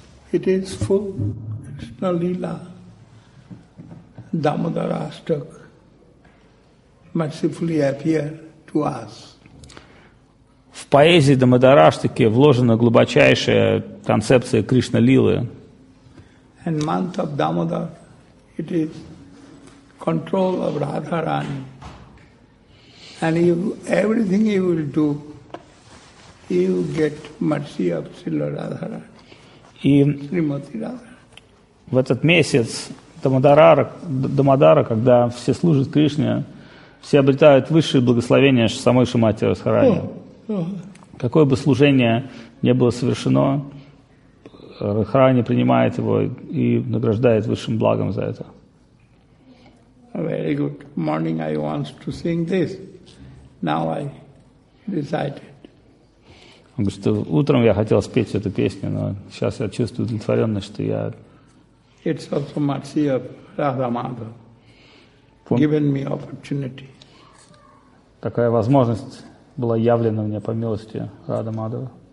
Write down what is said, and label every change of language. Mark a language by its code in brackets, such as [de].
[en] It is full Krishna Lila, Damodara Astak mercifully appear to us. [ru] В поэзии Дамодара Аштаки вложена глубочайшая концепция Кришна Лилы. [en] And month of Damodar, it is control of Radharani. And you, everything you will do, you get mercy of Srila Radharani, Srimati Radharani. [ru] В этот месяц Дамодара, когда все служат Кришне, все обретают высшие благословения самой Шримати Радхарани. Какое бы служение ни было совершено, Радхарани принимает его и награждает высшим благом за это. [en] Very good. Morning I want to sing this. Now I recited. [ru] Он говорит, что утром я хотел спеть эту песню, но сейчас я чувствую удовлетворенность, что я... [en] It's also mercy of Radha Madhav. Given me opportunity. [ru] Такая возможность была явлена мне по милости Радха Мадхава.